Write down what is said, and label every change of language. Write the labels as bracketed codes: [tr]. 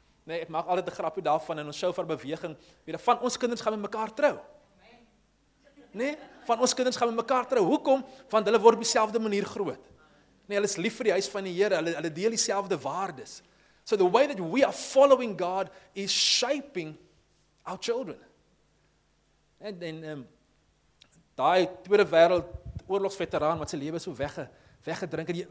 [af] Nee, ek maak altyd 'n grapje daarvan in ons shofar beweging, van ons kinders gaan met mekaar trou. Nee, van ons kinders gaan met mekaar trou. Hoekom? Want hulle word op dieselfde manier groot. Nee, hulle is lief vir die huis van die Here, hulle deel dieselfde waardes. [en] So the way that we are following God is shaping our children. [af] En daai tweede wêreld oorlogsveteraan wat sy lewe so weggedrink het.